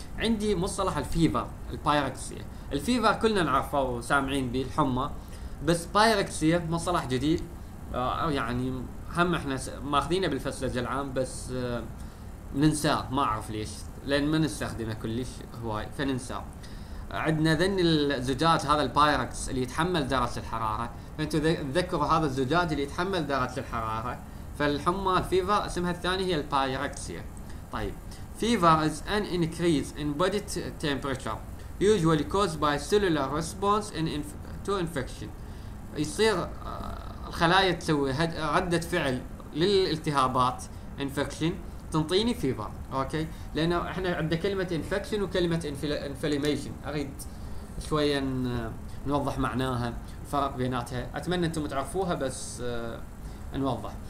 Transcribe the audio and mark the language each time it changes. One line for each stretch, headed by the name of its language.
Arabic: عندي مصطلح الفيفر البايركسيا. الفيفر كلنا نعرفه وسامعين به الحمى، بس بايركسيا مصطلح جديد، يعني هم احنا ماخذينه بالفسلج العام بس ننساه، ما اعرف ليش، لان ما نستخدمه كلش هواي فننساه. عندنا ذن الزجاج هذا البايركس اللي يتحمل درجه الحراره، فانتوا تذكروا هذا الزجاج اللي يتحمل درجه الحراره. فالحمى الفيفر اسمها الثاني هي البايركسيا.
English: طيب fever is an increase in body temperature usually caused by cellular response in to infection.
Arabic: يصير الخلايا تسوي ردة فعل للالتهابات infection تنطيني fever. اوكي، لانه احنا عندنا كلمة infection وكلمة inflammation، اريد شوية نوضح معناها فرق بيناتها، اتمنى انتم تعرفوها بس نوضح.